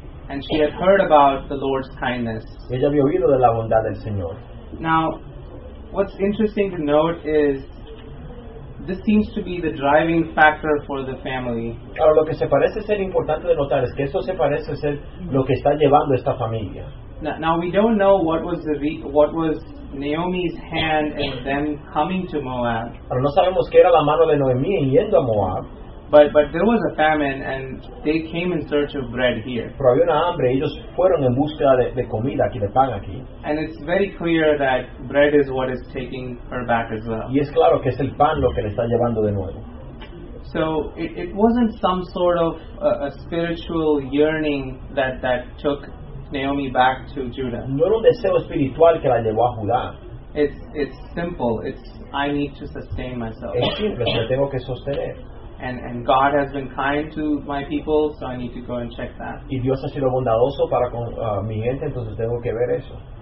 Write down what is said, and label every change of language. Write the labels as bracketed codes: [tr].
[en] And she had heard about the Lord's kindness. [es] Ella había oído de la bondad del Señor. [en] Now, what's interesting to note is this seems to be the driving factor for the family. [es] Ahora, lo que se parece ser importante de notar es que eso se parece ser lo que está llevando esta familia. [en] Now we don't know what was Naomi's hand in them coming to Moab. [es] Ahora, no sabemos qué era la mano de Noemí yendo a Moab. [en] But there was a famine and they came in search of bread here. [es] Pero había una hambre, ellos fueron en búsqueda de comida aquí, de pan aquí. [en] And it's very clear that bread is what is taking her back as well. [es] Y es claro que es el pan lo que le está llevando de nuevo. [en] So it wasn't some sort of a spiritual yearning that took Naomi back to Judah. [es] No era un deseo espiritual que la llevó a Judá. [en] It's simple. It's I need to sustain myself. [es] Es simple, me tengo que sostener. [en] And God has been kind to my people, so I need to go and check that. [es] Y Dios ha sido bondadoso para con mi gente, entonces tengo que ver eso.